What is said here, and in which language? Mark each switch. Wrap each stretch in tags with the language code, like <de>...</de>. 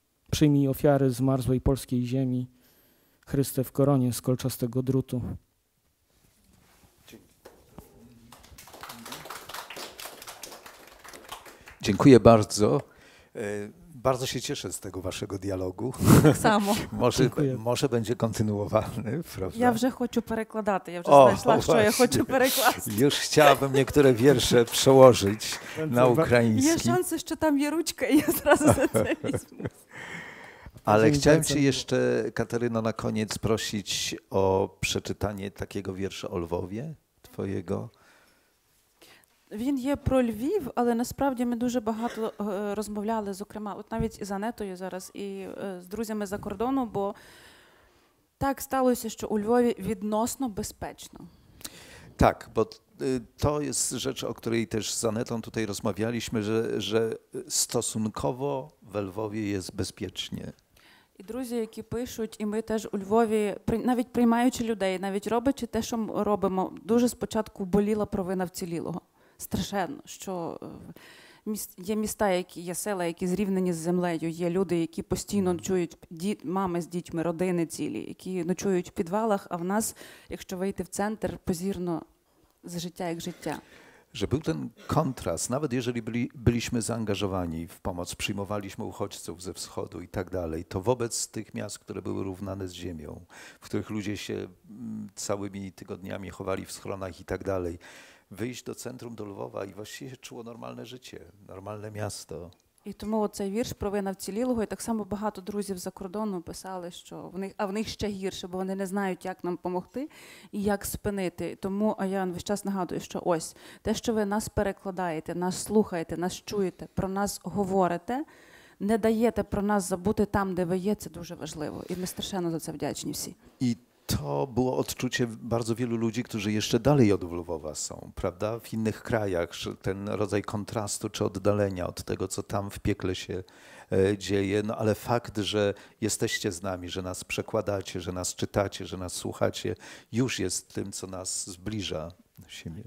<pl>Przyjmij ofiary zmarzłej polskiej ziemi, Chryste w koronie z kolczastego drutu. Dziękuję bardzo. Bardzo się cieszę z tego waszego dialogu. Tak samo. może będzie kontynuowany, prawda?</pl> <uk>Ja wже хочу перекладати. Я вже знайшла, що я хочу перекласти.</uk> <pl>Już chciałabym niektóre wiersze przełożyć na ukraiński.</pl> <uk>Є шанси, що там є ручка, і я зразу за це візьму.</uk> <pl>Ale chciałem cię jeszcze, Kataryno, na koniec prosić o przeczytanie takiego wiersza o Lwowie, twojego.</pl> <uk>Він є про Львів, але насправді ми дуже багато розмовляли, зокрема, от навіть із Анетою зараз, і з друзями за кордону, бо так сталося, що у Львові відносно безпечно.</uk> <pl>Tak, bo to jest rzecz, o której też z Anetą tutaj rozmawialiśmy, że stosunkowo we Lwowie jest bezpiecznie.</pl> <uk>І друзі, які пишуть, і ми теж у Львові, навіть приймаючи людей, навіть роблячи те, що ми робимо, дуже спочатку боліла провина вцілілого. Страшенно, що є міста, які є села, які зрівнені з землею, є люди, які постійно ночують, мами з дітьми, родини цілі, які ночують в підвалах, а в нас, якщо вийти в центр, позірно з життя як життя. Że był ten kontrast, nawet jeżeli byliśmy zaangażowani w pomoc, przyjmowaliśmy uchodźców ze wschodu i tak dalej, to wobec tych miast, które były równane z ziemią, w których ludzie się całymi tygodniami chowali w schronach i tak dalej, wyjść do centrum, do Lwowa i właściwie się czuło normalne życie, normalne miasto. І тому цей вірш провина вцілілого, і так само багато друзів за кордону писали, що в них, а в них ще гірше, бо вони не знають, як нам помогти і як спинити. Тому я весь час нагадую, що ось те, що ви нас перекладаєте, нас слухаєте, нас чуєте, про нас говорите, не даєте про нас забути там, де ви є, це дуже важливо. І ми страшенно за це вдячні всі.</uk> <pl>І to było odczucie bardzo wielu ludzi, którzy jeszcze dalej od Lwowa są, prawda? W innych krajach, że ten rodzaj kontrastu czy oddalenia od tego, co tam w piekle się dzieje, no ale fakt, że jesteście z nami, że nas przekładacie, że nas czytacie, że nas słuchacie, już jest tym, co nas zbliża do siebie.</pl>